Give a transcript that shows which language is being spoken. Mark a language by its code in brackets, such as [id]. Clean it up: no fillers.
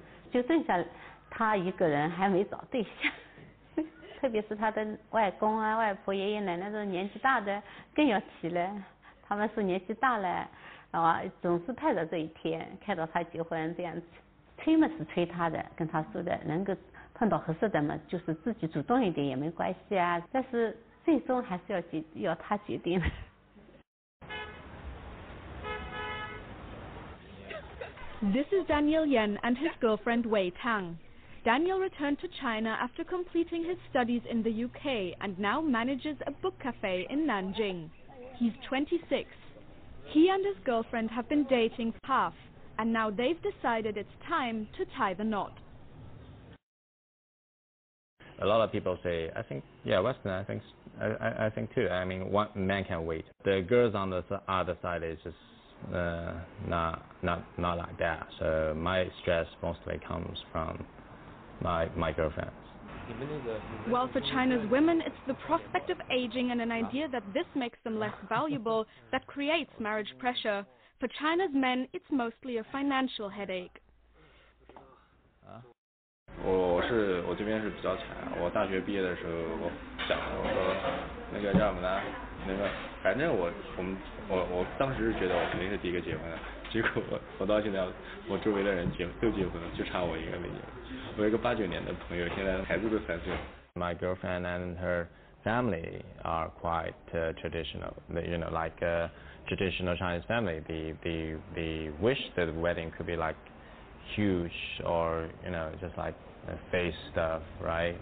[zh] 就剩下他一个人还没找对象，特别是他的外公啊、外婆、爷爷奶奶都年纪大的，更要提了，他们是年纪大了，啊，总是盼着这一天，看到他结婚这样子，催嘛是催他的，跟他说的，能够碰到合适的嘛，就是自己主动一点也没关系啊，但是最终还是要他决定了。 [en] This is Daniel Yen and his girlfriend Wei Tang. Daniel returned to China after completing his studies in the UK and now manages a book cafe in Nanjing. He's 26. He and his girlfriend have been dating half, and now they've decided it's time to tie the knot. A lot of people say, I think, yeah, Western, I think too. I mean, one man can wait. The girls on the other side is just... not like that. So my stress mostly comes from my girlfriends. Well, for China's women, it's the prospect of aging and an idea that this makes them less valuable that creates marriage pressure. For China's men, it's mostly a financial headache. [zh] 我这边是比较惨。我大学毕业的时候，我想我说那个叫什么呢？那个，反正我当时是觉得我肯定是第一个结婚的，结果我到现在我周围的人都结婚了，就差我一个没结婚。我有个89年的朋友，现在孩子都3岁。 [en] My girlfriend and her family are quite traditional. You know, like a traditional Chinese family, the wish that the wedding could be like huge or you know just like face stuff, right?